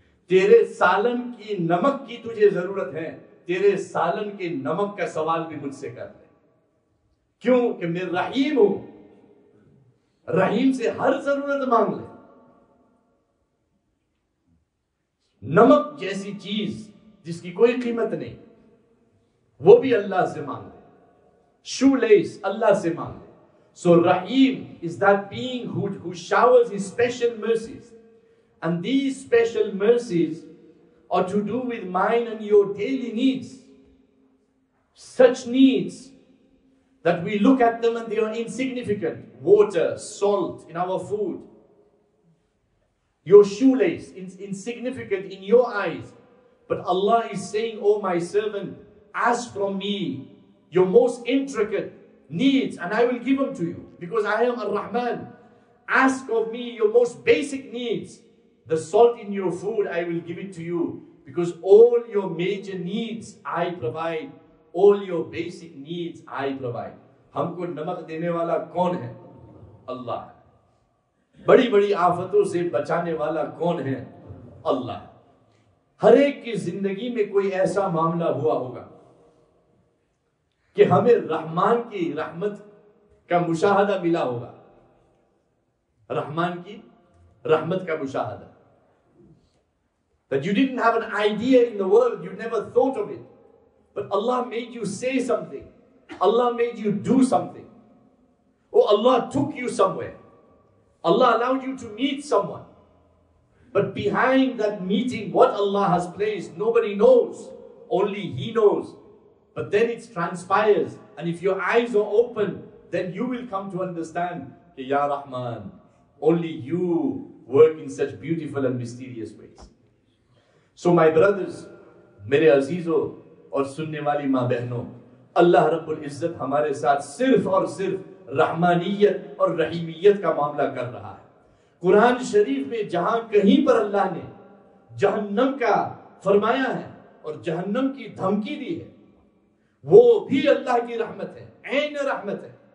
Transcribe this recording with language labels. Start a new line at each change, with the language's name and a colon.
Urdu: تیرے سالن کی نمک کی تجھے ضرورت ہے, تیرے سالن کے نمک کا سوال بھی مجھ سے کر لے, کیوں کہ میں رحیم ہوں, رحیم سے ہر ضرورت مانگ لے. نمک جیسی چیز جس کی کوئی قیمت نہیں, وہ بھی اللہ سے مانگ لے. شو لیس اللہ سے مانگ لے.
English: So رحیم is that being who showers his special mercies, and these special mercies are to do with mine and your daily needs, such needs that we look at them and they are insignificant. Water, salt in our food, your shoelace is insignificant in your eyes, but Allah is saying, oh my servant, ask from me your most intricate needs and I will give them to you, because I am Ar-Rahman. Ask of me your most basic needs, the salt in your food, I will give it to you, because all your major needs I provide, all your basic needs I provide.
Urdu: Humko namak dene wala kaun hai? Allah. بڑی بڑی آفتوں سے بچانے والا کون ہے؟ اللہ. ہر ایک کی زندگی میں کوئی ایسا معاملہ ہوا ہوگا کہ ہمیں رحمان کی رحمت کا مشاہدہ ملا ہوگا, رحمان کی رحمت کا مشاہدہ.
English: That you didn't have an idea in the world, you never thought of it, but Allah made you say something, Allah made you do something, or Allah took you somewhere, Allah allowed you to meet someone. But behind that meeting, what Allah has placed, nobody knows. Only He knows. But then it transpires. And if your eyes are open, then you will come to understand
Urdu: کہ یا رحمان
English: only you work in such beautiful and mysterious ways. So my brothers,
Urdu: میرے عزیزو اور سننے والی ماں بہنوں, اللہ رب العزت ہمارے ساتھ صرف اور صرف رحمانیت اور رحیمیت کا معاملہ کر رہا ہے. قرآن شریف میں جہاں کہیں پر اللہ نے جہنم کا فرمایا ہے اور جہنم کی دھمکی دی ہے, وہ بھی اللہ کی رحمت ہے, عین رحمت ہے.